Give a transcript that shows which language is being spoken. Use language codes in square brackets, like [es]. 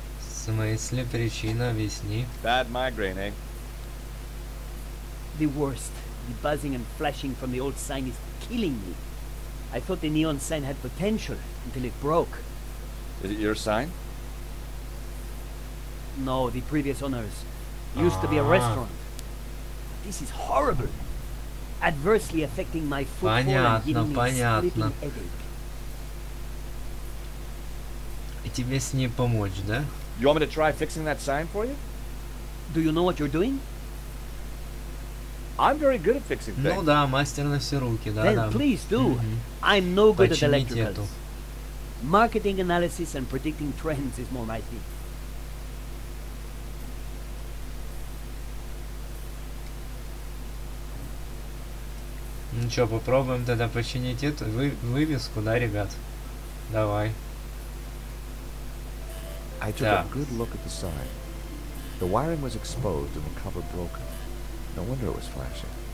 [ru] Смысле причина объясни. [en] Bad migraine, eh? The worst. The buzzing and flashing from the old sign is killing me. I thought the neon sign had potential until it broke. Is it your sign? No, the previous owners. Used to be a restaurant. This is horrible. Adversely affecting my footfall and giving me a splitting headache. [ru] И тебе с ней помочь, да? [en] You want me to try fixing that sign for you? Do you know what you're doing? I'm very good at fixing things. [ru] Ну да, мастер на все руки, да. [en] Then [ru] да. [en] Please do. Mm-hmm. I'm no good [ru] Почините [en] at electricals. [ru] Эту. [en] Marketing analysis and predicting trends is more my thing. [ru] Ну что, попробуем тогда починить эту вывеску, да, ребят? Давай. [en] I took a good look at the sign. The wiring was exposed and the cover broken. No wonder it was flashing.